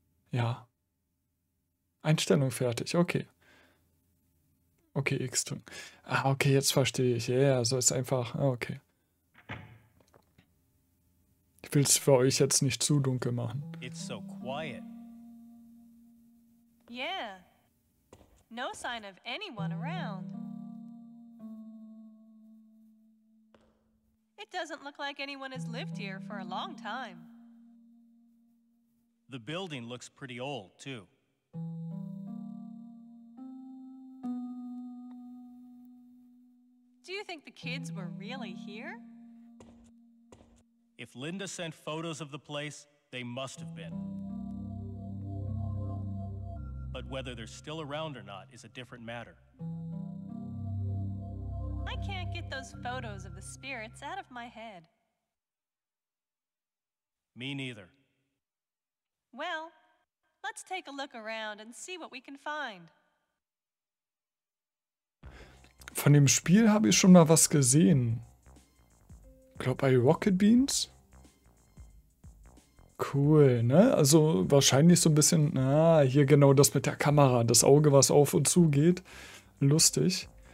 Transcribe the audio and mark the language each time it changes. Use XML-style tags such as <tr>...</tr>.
<de>Ja. Einstellung fertig. Okay. Okay, X drücken. Ah, okay, jetzt verstehe ich. Ja, yeah, so ist einfach. Okay. Ich will es für euch jetzt nicht zu dunkel machen.</de> <en>It's so quiet. Yeah. No sign of anyone around. It doesn't look like anyone has lived here for a long time. The building looks pretty old, too. Do you think the kids were really here? If Linda sent photos of the place, they must have been. But whether they're still around or not is a different matter. I can't get those photos of the spirits out of my head. Me neither. Well, let's take a look around and see what we can find.</en> <de>Von dem Spiel habe ich schon mal was gesehen. Ich glaube bei Rocket Beans. Cool, ne? Also wahrscheinlich so ein bisschen, hier genau das mit der Kamera, das Auge, was auf und zu geht. Lustig.</de>